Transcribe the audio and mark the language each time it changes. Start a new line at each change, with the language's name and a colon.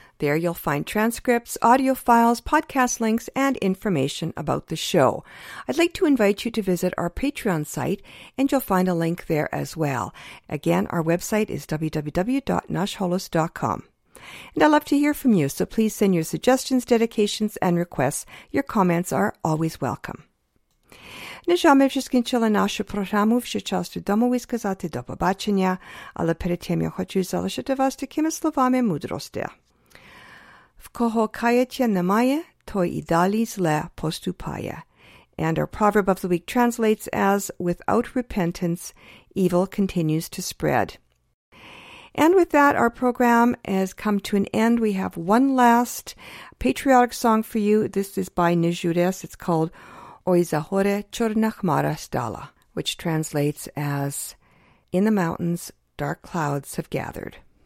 English: There you'll find transcripts, audio files, podcast links, and information about the show. I'd like to invite you to visit our Patreon site, and you'll find a link there as well. Again, our website is www.nashholos.com. And I'd love to hear from you, so please send your suggestions, dedications, and requests. Your comments are always welcome.
Ukrainian: Нажами вже скінчила нашу програму. Вже час додому висказати до побачення. Але перед тим я хочу залишити вас такими словами мудрості. В кого каяття немає, той і далі зле поступає.
English: And our proverb of the week translates as, without repentance, evil continues to spread. And with that, our program has come to an end. We have one last patriotic song for you. This is by Nejudes. It's called Oy Zahore Chorna Chmara Stala, which translates as, in the mountains, dark clouds have gathered.